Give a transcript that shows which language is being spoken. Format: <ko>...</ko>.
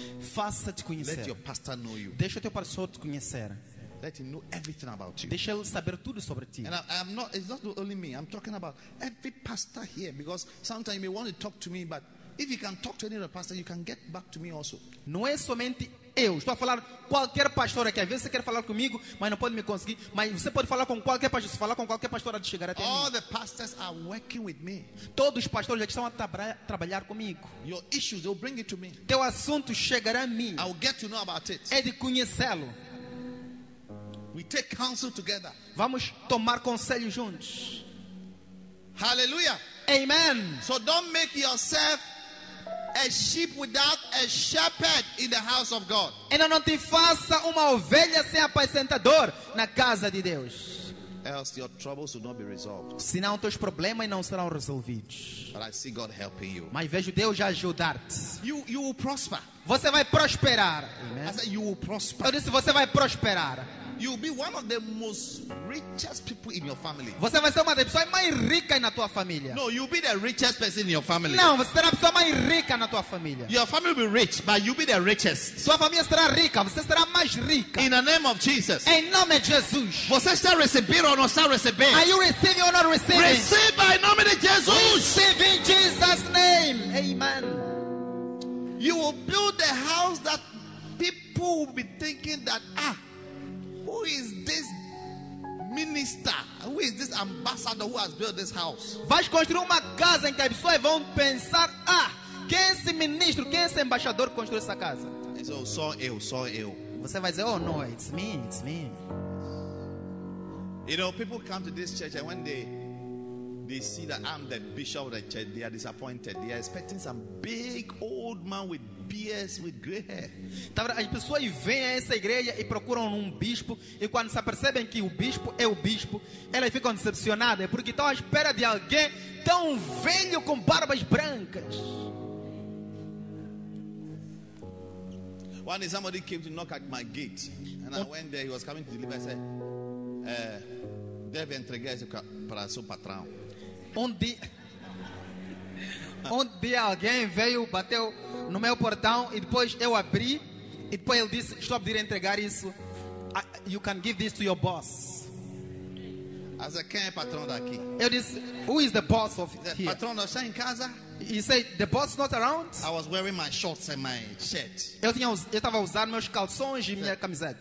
<pt>Faça-te conhecer.</pt> <en>Let your pastor know you.</en> <pt>Deixa o teu pastor te conhecer.</pt> <en>Let him know everything about you.</en> <pt>Deixa ele saber tudo sobre ti.</pt> <en>And I'm not. It's not only me. I'm talking about every pastor here because sometimes you may want to talk to me, but if you can talk to any other pastor, you can get back to me also.</en> <pt>Não é somente eu. Estou a falar qualquer pastor aqui. Às vezes você quer falar comigo, mas não pode me conseguir. Mas você pode falar com qualquer pastor. Se falar com qualquer pastor, de chegar até</pt> <en>all</en> <pt>mim.</pt> <en>The pastors are working with me.</en> <pt>Todos os pastores aqui estão a trabalhar comigo.</pt> <en>Your issues, they'll bring it to me.</en> <pt>Teu assunto chegará a mim.</pt> <en>I'll get to know about it.</en> <pt>É de conhecê-lo.</pt> <en>We take counsel together.</en> <pt>Vamos tomar conselho juntos.</pt> <en>Hallelujah. Amen. So don't make yourself a sheep without a shepherd in the house of God.</en> <pt>Ainda não te faça uma ovelha sem apacentador na casa de Deus.</pt> <en>Else your troubles will not be resolved.</en> <pt>Senão teus problemas não serão resolvidos.</pt> <en>But I see God helping you.</en> <pt>Mas vejo Deus ajudar-te.</pt> <en>You will prosper.</en> <pt>Você vai prosperar.</pt> <en>Amen. I said you will prosper.</en> <pt>Eu disse você vai prosperar.</pt> <en>You will be one of the most richest people in your family.</en> <pt>Você vai ser uma das pessoas mais ricas na tua família.</pt> <en>No, you'll be the richest person in your family.</en> <pt>Não, você será a pessoa mais rica na tua família.</pt> <en>Your family will be rich, but you'll be the richest.</en> <pt>Sua família será rica, você será mais rica.</pt> <en>In the name of Jesus.</en> <pt>Em nome de Jesus. Você está recebendo ou não está recebendo?</pt> <en>Are you receiving or not receiving? Receive by</en> <pt>nome de Jesus.</pt> <en>Receive in Jesus' name. Amen. You will build a house that people will be thinking that who is this minister? Who is this ambassador who has built this house?</en> <pt>Vai construir uma casa em que as pessoas vão pensar, quem é esse ministro, quem é esse embaixador que construiu essa casa? Sou eu. Você vai dizer,</pt> <en>no, it's me. You know, people come to this church and when they see that I'm the bishop of the church, they are disappointed. They are expecting some big old man with beards, with gray hair.</en> <pt>As pessoas vêm a essa igreja e procuram bispo, e quando se percebem que o bispo é o bispo, elas ficam decepcionadas, porque estão à espera de alguém tão velho com barbas brancas.</pt> <en>One day somebody came to knock at my gate, and I went there. He was coming to deliver. I said,</en> <pt>"Deve entregar isso para seu patrão." Um dia alguém veio, bateu no meu portão e depois eu abri e depois ele disse: "Estou a pedir entregar isso.</pt> <en>You can give this to your boss."</en> <pt>As a quem é patrão daqui? Eu disse:</pt> <en>"Who is the boss of here?"</en> <pt>Patrão não está em casa?</pt> <en>He said, "The boss not around." I was wearing my shorts and my shirt.</en> <pt>Eu estava usando meus calções e minha camiseta.</pt>